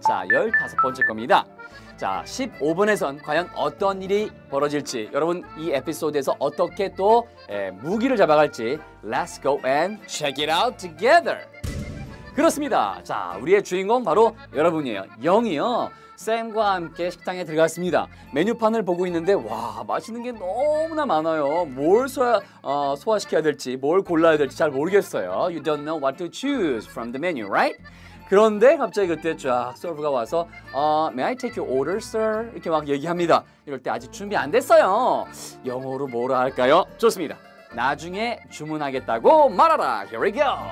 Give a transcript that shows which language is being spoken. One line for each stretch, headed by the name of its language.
Korean: 자, 15번째 겁니다. 자, 15번에선 과연 어떤 일이 벌어질지, 여러분 이 에피소드에서 어떻게 또 무기를 잡아갈지,
English: Let's go and check it out together!
Korean: 그렇습니다. 자, 우리의 주인공 바로 여러분이에요. 영이요. 쌤과 함께 식당에 들어갔습니다. 메뉴판을 보고 있는데 와, 맛있는 게 너무나 많아요. 뭘 소화시켜야 될지, 뭘 골라야 될지 잘 모르겠어요.
English: You don't know what to choose from the menu, right?
Korean: 그런데 갑자기 그때 쫙 서브가 와서
English: May I take your order, sir?
Korean: 이렇게 막 얘기합니다. 이럴 때 아직 준비 안 됐어요. 영어로 뭐라 할까요? 좋습니다. 나중에 주문하겠다고 말하라.
English: Here we go.